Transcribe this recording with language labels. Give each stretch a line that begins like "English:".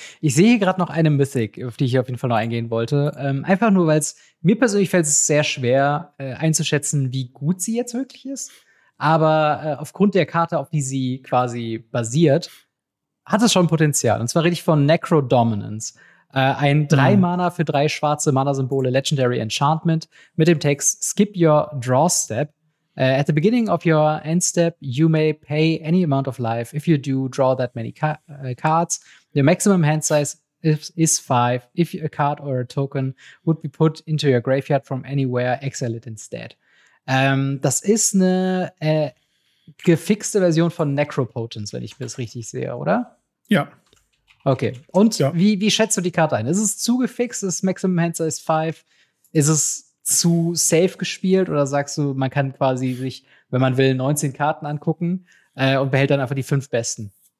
German: Ich sehe hier gerade noch eine Mythic, auf die ich auf jeden Fall noch eingehen wollte. Einfach nur, weil es mir persönlich fällt es sehr schwer einzuschätzen, wie gut sie jetzt wirklich ist. Aber aufgrund der Karte, auf die sie quasi basiert, hat es schon Potenzial. Und zwar rede ich von Necro Dominance. Ein 3-Mana für 3 schwarze Mana-Symbole Legendary Enchantment mit dem Text
English: Skip your draw step. At the beginning of your end step, you may pay any amount of life. If you do, draw that many cards. Your maximum hand size is 5. If a card or a token would be put into your graveyard from anywhere, exile it instead.
German: Das ist eine gefixte Version von Necropotence, wenn ich das richtig sehe, oder? Ja. Okay. Und wie schätzt du die Karte ein? Ist es zu gefixt? Ist Maximum Hand Size 5? Ist es zu safe gespielt? Oder sagst du, man kann quasi sich, wenn man will, 19 Karten angucken und behält dann einfach die 5 besten?